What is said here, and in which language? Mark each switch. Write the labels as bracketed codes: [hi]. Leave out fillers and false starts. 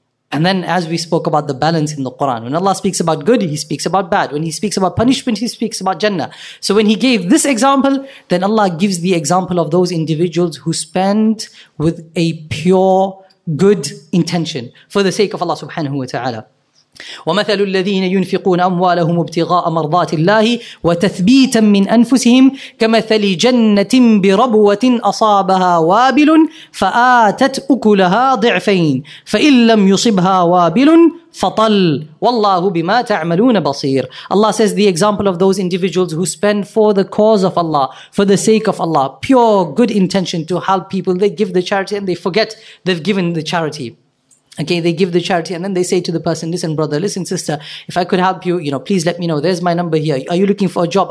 [en] And then as we spoke about the balance in the Quran, when Allah speaks about good, He speaks about bad. When He speaks about punishment, He speaks about Jannah. So when He gave this example, then Allah gives the example of those individuals who spend with a pure good intention for the sake of Allah subhanahu wa ta'ala. [ar] ومثل الذين ينفقون أموالهم ابتغاء مرضات الله وتثبيتا من أنفسهم كمثل جنة بربوة أصابها وابل فآتت أكلها ضعفين فإن لم يصبها وابل فطل والله بما تعملون بصير. [en] Allah says the example of those individuals who spend for the cause of Allah, for the sake of Allah, pure good intention to help people, they give the charity and they forget they've given the charity. Okay, they give the charity and then they say to the person, listen brother, listen sister, if I could help you, you know, please let me know. There's my number here. Are you looking for a job?